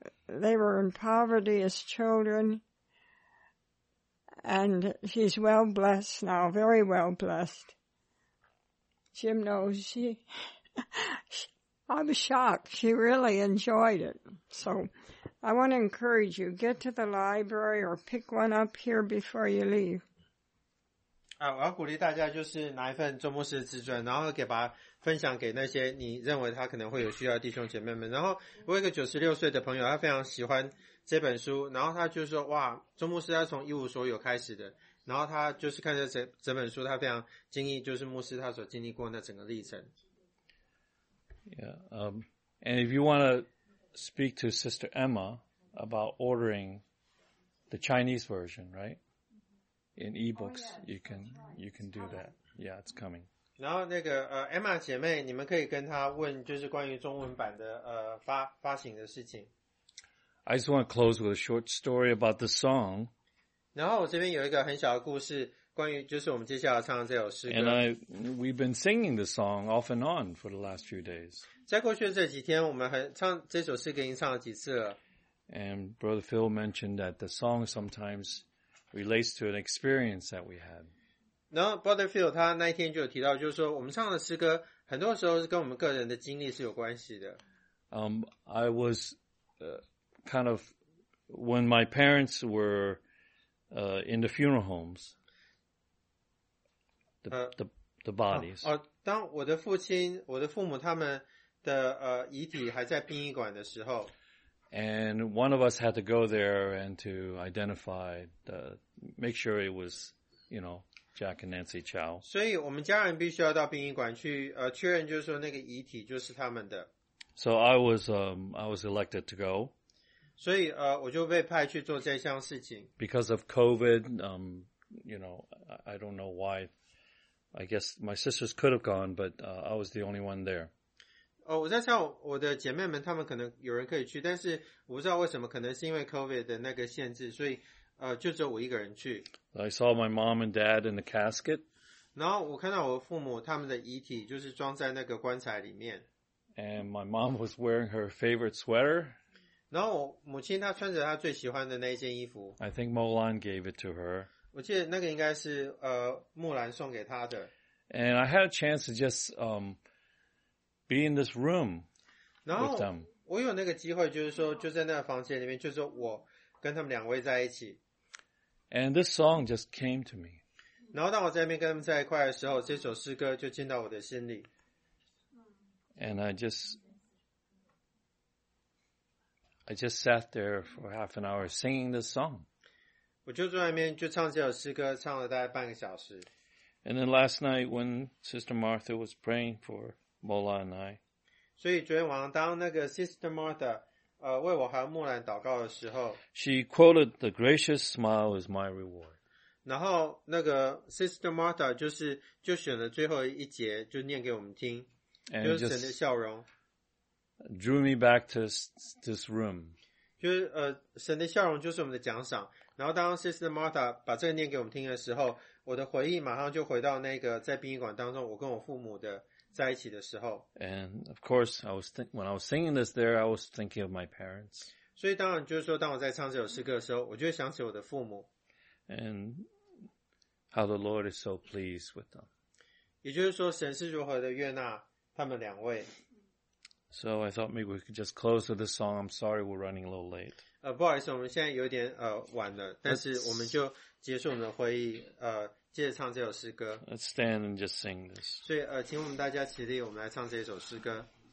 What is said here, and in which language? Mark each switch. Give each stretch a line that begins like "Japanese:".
English: They were in poverty as children, and she's well-blessed now, very well-blessed. Jim knows she... I'm shocked. She really enjoyed it. So I want to encourage you, get to the library or pick one up here before you leave.
Chinese: 啊，我要鼓励大家就是拿一份周牧师的自传，然后给把它分享给那些你认为他可能会有需要的弟兄姐妹们。然后我有一个96岁的朋友，他非常喜欢这本书，然后他就说，哇，周牧师他从一无所有开始的，然后他就是看着整本书，他非常惊异，就是牧师他所经历过那整个历程。
English: Yeah, and if you want to speak to Sister Emma about ordering the Chinese version, right? In ebooks, you can do that. Yeah, it's coming.
Chinese: 然后那个Emma 姐妹，你们可以跟她问，就是关于中文版的发行的事情。
English: I just want to close with a short story about the song.
Chinese: 然后我这边有一个很小的故事。关于就是我们接下来唱的这首诗歌。
English: And we've been singing the song off and on for the last few days.
Chinese: 在过去的这几天，我们很唱这首诗歌已经唱了几次了。
English: And Brother Phil mentioned that the song sometimes relates to an experience that we had.
Chinese: 然后 Brother Phil 他那一天就有提到，就是说我们唱的诗歌很多时候是跟我们个人的经历是有关系的。
English: I was kind of when my parents were in the funeral homes. The bodies.
Chinese: 当我的父亲我的父母他们的遗体还在殡仪馆的时候。
English: And one of us had to go there and to identify, make sure it was, you know, Jack and Nancy Chow.
Chinese: 所以我们家人必须要到殡仪馆去确认就是说那个遗体就是他们的。
English: So I was elected to go.
Chinese: 所以我就被派去做这项事情。
English: Because of COVID, you know, I don't know why. I guess my sisters could have gone, but I was the only one there.
Chinese: Oh, 我在想我的姐妹们，她们可能有人可以去，但是我不知道为什么，可能是因为 COVID 的那个限制，所以就只有我一个人去。
English: I saw my mom and dad in the casket.
Chinese: 然后我看到我父母他们的遗体就是装在那个棺材里面。
English: And my mom was wearing her favorite sweater.
Chinese: 然后我母亲她穿着她最喜欢的那一件衣服。
English: I think Molan gave it to her.
Chinese: 我记得那个应该是木兰送给他的。
English: And I had a chance to just be in this room with them.
Chinese: 我有那个机会，就是说，就在那个房间里面，就是我跟他们两位在一起。
English: And this song just came to me.
Chinese: 然后当我在那边跟他们在一块的时候，这首诗歌就进到我的心里。
English: And I just sat there for half an hour singing this song.
Chinese: 我就坐在那边就唱这首诗歌，唱了大概半个小时。
English: And then last night when Sister Martha was praying for Mola and I,
Chinese: 所以昨天晚上当那个 Sister Martha 为我还有木兰祷告的时候
English: ，She quoted the gracious smile is my reward.
Chinese: 然后那个 Sister Martha 就选了最后一节就念给我们听，就是神的笑容
English: drew me back to this room.
Chinese: 就是神的笑容就是我们的奖赏。然后当 Sister Martha 把这个念给我们听的时候，我的回忆马上就回到那个在殡仪馆当中我跟我父母的在一起的时候。
English: And of course, I was when I was singing this there, I was thinking of my parents.
Chinese: 所以当然就是说，当我在唱这首诗歌的时候，我就会想起我的父母。
English: And how the Lord is so pleased with them.
Chinese: 也就是说，神是如何的悦纳他们两位。
English: So I thought maybe we could just close with the song. I'm sorry we're running a little late.
Chinese: 不好意思，我们现在有点晚了，但是我们就结束我们的会议，接着唱这首诗歌。
English: Let's stand and just sing this.
Chinese: 所以请我们大家起立，我们来唱这首诗歌。